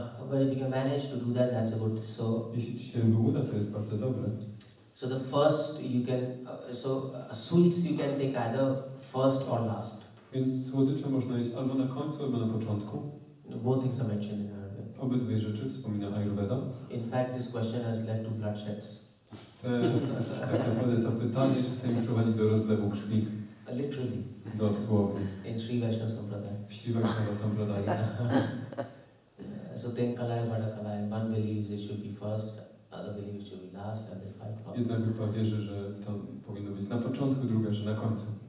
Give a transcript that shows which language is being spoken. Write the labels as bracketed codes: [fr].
[en] But if you can manage to do that, that's a good. So. [pl] Jeśli ci się uda, to jest bardzo dobre. [en] So the first you can, sweets you can take either first or last. [pl] Więc słodycze można jeść albo na końcu, albo na początku. [en] Both things are mentioned in Ayurveda. [pl] Obydwie rzeczy wspomina Ayurveda. [en] In fact, this question has led to bloodshed. [pl] Tak naprawdę to pytanie czasami prowadzi do rozlewu krwi. [en] Literally. [ru] Дословно. [en] In Sri Vaishnava Sampradaya. [ru] В Sri Vaishnava Sampradaya. [en] So then Kalaya Vada Kalaya, one believes it should be first, other believes it should be last, and they fight for it. [pl] Jedna grupa wierzy, że to powinno być na początku, druga, że na końcu.